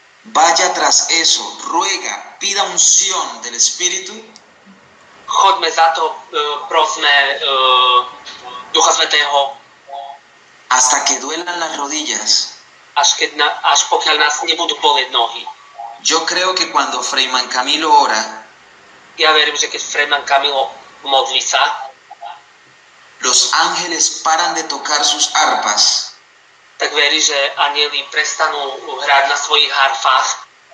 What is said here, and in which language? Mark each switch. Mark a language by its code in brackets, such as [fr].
[es] Vaya tras eso, ruega, pida unción del Espíritu. [sk] Chodme za to, prosme Ducha Svätého. [es] Hasta que duelan las rodillas. [sk] Až pokiaľ nás nebudú boleť nohy. [es] Yo creo que cuando Fray Mancamilo ora. [sk] Ja verím, že keď Fray Mancamilo modlí sa. [es] Los ángeles paran de tocar sus arpas. [sk] Tak verí, že anjeli prestanú hrať na svojich harfách.